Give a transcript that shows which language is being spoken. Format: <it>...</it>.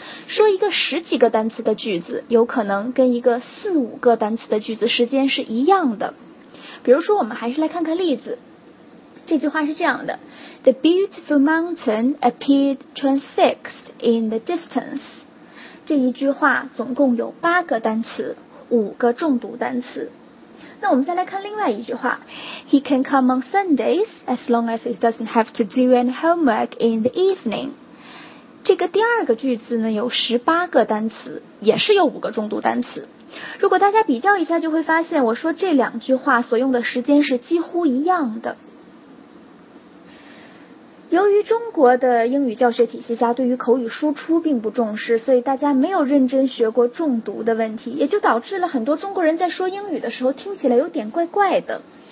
<zh>说一个十几个单词的句子，有可能跟一个四五个单词的句子时间是一样的。比如说我们还是来看看例子，这句话是这样的，</zh> <en>The beautiful mountain appeared transfixed in the distance。</en> <zh>这一句话总共有8个单词，5个重读单词。那我们再来看另外一句话，</zh> <en>He can come on Sundays as long as he doesn't have to do any homework in the evening。</en> <zh>这个第二个句子呢，有18个单词，也是有5个重读单词。如果大家比较一下，就会发现我说这两句话所用的时间是几乎一样的。由于中国的英语教学体系下对于口语输出并不重视，所以大家没有认真学过重读的问题，也就导致了很多中国人在说英语的时候听起来有点怪怪的。</zh>